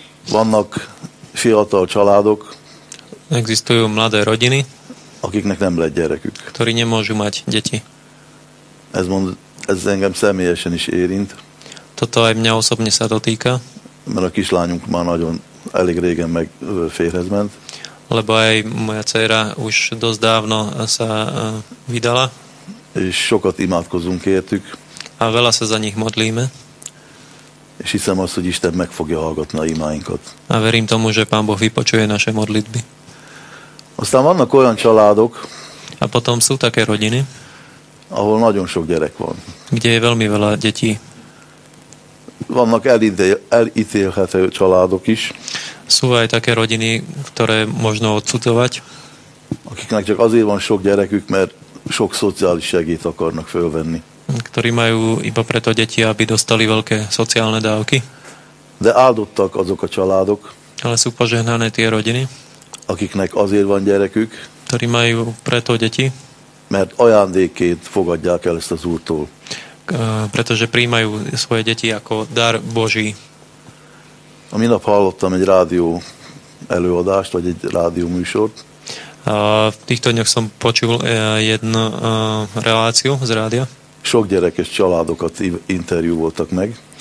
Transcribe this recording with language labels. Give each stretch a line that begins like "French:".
Hungarian: Vannak fiatal családok.
Slovak: Existujú mladé rodiny.
Hungarian: Akiknek nem lett gyerekük.
Slovak: Ktorí nemôžu mať deti.
Hungarian: Ez engem személyesen is érint.
Slovak: Toto aj mňa osobne sa dotýka.
Hungarian: Mert a kislányunk már nagyon elég régen meg férhez ment.
Slovak: Lebo aj moja dcera už dosť dávno sa vydala.
Hungarian: És sokat imádkozunk értük.
Slovak: A veľa sa za nich modlíme.
Hungarian: És hiszem azt, hogy Isten meg fogja hallgatni a imáinkat.
Slovak: A verím tomu, že Pán Boh vypočuje naše modlitby.
Hungarian: Aztán vannak olyan családok,
Slovak: a potom sú také rodiny,
Hungarian: ahol nagyon sok gyerek van.
Slovak: Kde je veľmi veľa detí?
Hungarian: Vannak elítélhető családok is.
Slovak: Sú aj také rodiny, ktoré možno odcutovať?
Hungarian: Akiknek csak azért van sok gyerekük, mert sok szociális segít akarnak fölvenni.
Slovak: Ktorí majú iba preto deti, aby dostali veľké sociálne dávky.
Hungarian: De áldottak azok a családok.
Slovak: Ale sú požehnané tie rodiny.
Hungarian: Akiknek azért van gyerekük.
Slovak: Ktorí majú preto deti.
Hungarian: Mert ajándékként fogadják el ezt az Úrtól.
Slovak: Pretože prijímajú svoje deti ako dar Boží.
Hungarian: A minap hallottam egy rádió előadást, vagy egy rádió műsort.
Slovak: V týchto dňoch som počul jednu reláciu z rádia.
Hungarian: Sok gyerekes családokat interjúvoltak meg.